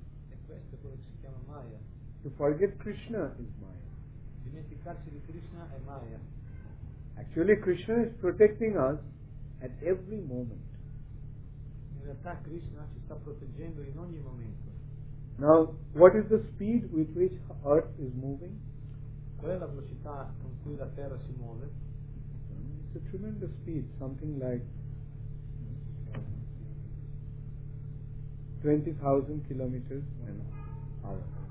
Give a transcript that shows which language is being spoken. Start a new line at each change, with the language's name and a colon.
Italian: E questo è quello che si chiama Maya.
English: To forget Krishna is Maya.
Italian: Dimenticarsi di Krishna è Maya.
English: Actually, Krishna is protecting us at every moment.
Italian: In realtà Krishna ci sta proteggendo in ogni momento.
English: Now, what is the speed with which Earth is moving?
Italian: Qual è la velocità con cui la Terra si muove?
English: It's a tremendous speed, something like 20,000 kilometers an hour.